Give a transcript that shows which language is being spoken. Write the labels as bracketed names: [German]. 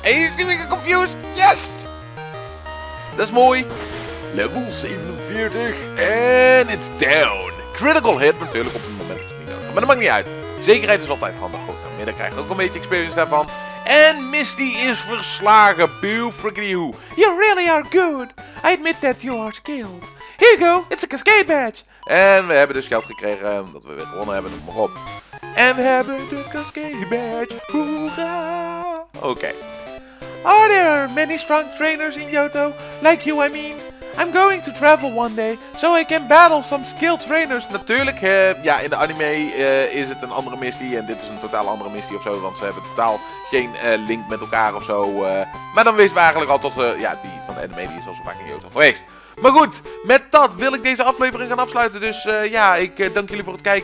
[Dutch] Hey, is die weer confused? Yes! Dat is mooi. [English] Level 47 en it's down. [Dutch] Critical hit natuurlijk op het moment dat je het niet nodig hebt. Maar dat maakt niet uit. Zekerheid is altijd handig. Goed, nou, Midden krijgt ook een beetje experience daarvan. En Misty is verslagen. Boo freaky hoo. [English] You really are good. I admit that you are skilled. Here you go, it's a cascade badge. [Dutch] En we hebben dus geld gekregen omdat we weer gewonnen hebben. Noem maar op. En we hebben de cascade badge. Hoera. Oké. [English] Are there many strong trainers in Johto? Like you, I mean. I'm going to travel one day, so I can battle some skilled trainers. [Dutch] Natuurlijk, in de anime is het een andere Misty en dit is een totaal andere Misty ofzo, want ze hebben totaal geen link met elkaar ofzo. Maar dan wisten we eigenlijk al tot, die van de anime die is al zo vaak in Johto geweest. Maar goed, met dat wil ik deze aflevering gaan afsluiten. Dus dank jullie voor het kijken.